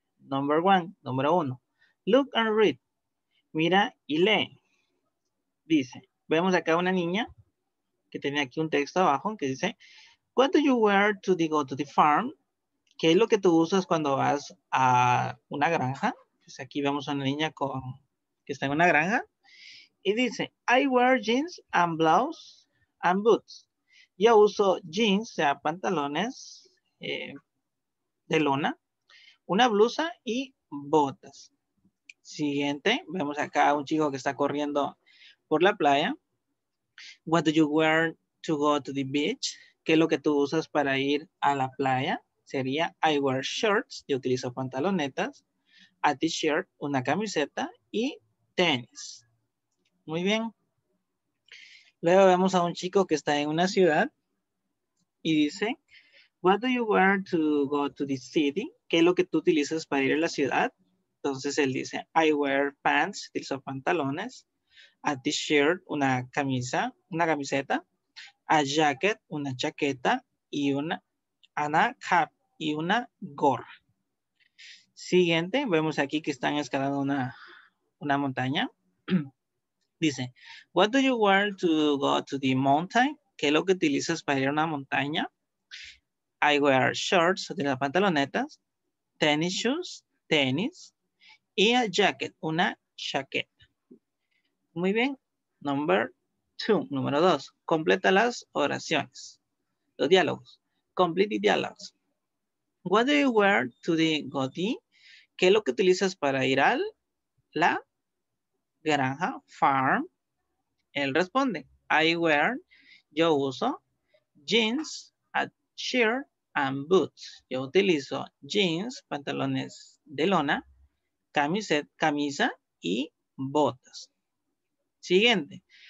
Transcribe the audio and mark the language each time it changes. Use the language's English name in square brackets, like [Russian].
[English] Number one, [Spanish] número uno. [English] Look and read. [Spanish] Mira y lee. Dice, vemos acá una niña que tenía aquí un texto abajo que dice, [English] What do you wear to go to the farm? [Spanish] ¿Qué es lo que tú usas cuando vas a una granja? Pues aquí vemos a una niña que está en una granja. Y dice, [English] I wear jeans and blouse and boots. [Spanish] Yo uso jeans, o sea, pantalones de lona, una blusa y botas. Siguiente, vemos acá a un chico que está corriendo por la playa. [English] What do you wear to go to the beach? [Spanish] ¿Qué es lo que tú usas para ir a la playa? Sería [English] I wear shorts, [Spanish] yo utilizo pantalonetas, [English] a t-shirt, [Spanish] una camiseta y tenis. Muy bien. Luego vemos a un chico que está en una ciudad y dice, What do you wear to go to the city? ¿Qué es lo que tú utilizas para ir a la ciudad? Entonces él dice, [English] I wear pants, [Spanish] utilizo pantalones. [English] A t-shirt, [Spanish] una camisa, una camiseta, [English] a jacket, [Spanish] una chaqueta y una cap y una gorra. Siguiente, vemos aquí que están escalando una montaña. Dice, [English] What do you wear to go to the mountain? [Spanish] ¿Qué es lo que utilizas para ir a una montaña? [English] I wear shorts, [Spanish] utilizo pantalonetas, [English] tennis shoes, [Spanish] tenis y [English] a jacket, [Spanish] una chaqueta. Muy bien. [English] Number two. [Spanish] Número dos. Completa las oraciones. Los diálogos. [English] Complete the dialogues. What do you wear to the go to? [Spanish] ¿Qué es lo que utilizas para ir a la granja? [English] Farm. [Spanish] Él responde. [English] I wear. [Spanish] Yo uso [English] jeans, a shirt and boots. [Spanish] Yo utilizo jeans, pantalones de lona, camisa y botas. Siguiente.